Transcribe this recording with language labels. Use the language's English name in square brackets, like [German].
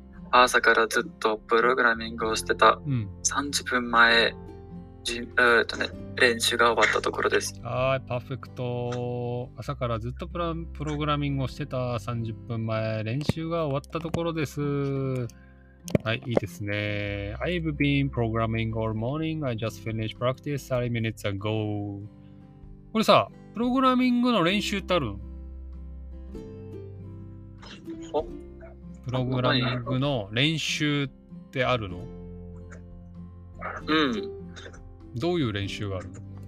[Japanese] 朝からずっとプログラミングをしてた、うん、 30分前練習が終わったところです。はい、パーフェクト。朝からずっとプログラミングをしてた、30分前練習が終わったところです。はい、いいですね。 [English] I've been programming all morning. I just finished practice 30 minutes ago. [Japanese] これさ、プログラミングの練習ってあるん？お、プログラミングの練習ってあるの？うん。どういう練習があるの？